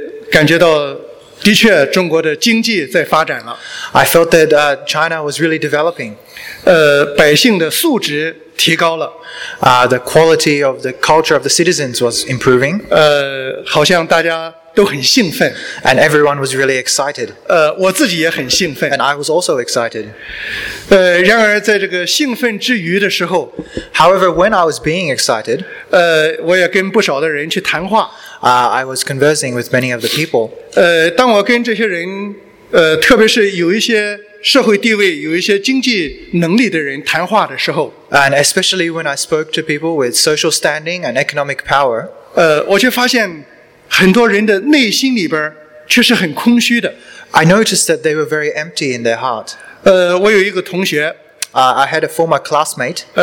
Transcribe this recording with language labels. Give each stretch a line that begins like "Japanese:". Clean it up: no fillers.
Chinese: 感觉到的确中国的经济在发展了。
English: I felt that China was really developing.
Chinese: 百姓的素质提高了。
English: The quality of the culture of the citizens was improving.
Chinese: 好像大家都很兴奋。
English: And everyone was really excited.
Chinese: 我自己也很兴奋。
English: And I was also excited.
Chinese: 然而在这个兴奋之余的时候，
English: However, when I was being excited,
Chinese: 我也跟不少的人去谈话。
English: I was conversing with many of the people.
Chinese: 当我跟这些人，特别是有一些社会地位、有一些经济能力的人谈话的时候，
English: And especially when I spoke to people with social standing and economic power,
Chinese: 我就发现很多人的内心里边却是很空虚的。
English: I noticed that they were very empty in their heart.
Chinese: 我有一个同学，
English: I had a former classmate.